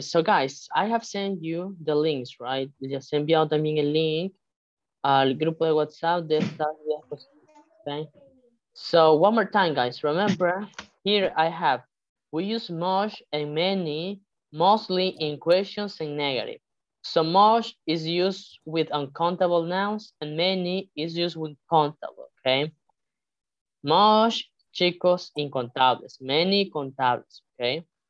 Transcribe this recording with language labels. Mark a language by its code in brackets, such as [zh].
[en] So, guys, I have sent you the links, right? [es] Les he enviado también el link al grupo de WhatsApp de esta diapositiva. [en] Okay. So, one more time, guys. Remember, here I have. We use much and many, mostly in questions and negative. So, much is used with uncountable nouns, and many is used with countable, okay? [es] Much, chicos, incontables. Many, contables, okay?